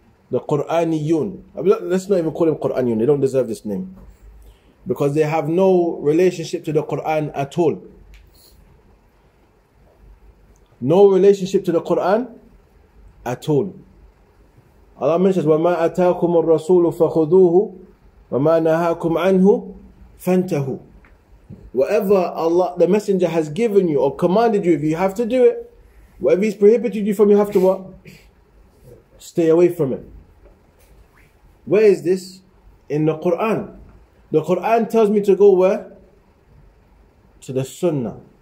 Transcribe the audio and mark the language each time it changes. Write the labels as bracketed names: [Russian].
[English] The Qur'aniyun. Let's not even call them Qur'aniyun. They don't deserve this name. Because they have no relationship to the Qur'an at all. No relationship to the Qur'an at all. Allah mentions, [Arabic] وَمَا أَتَاكُمُ الرَّسُولُ فَخُذُوهُ وَمَا نَهَاكُمْ عَنْهُ فَانْتَهُ. [English] Whatever Allah, the messenger, has given you or commanded you, if you have to do it, whatever he's prohibited you from, you have to what? Stay away from it. Where is this? In the Qur'an. The Qur'an tells me to go where? To the sunnah.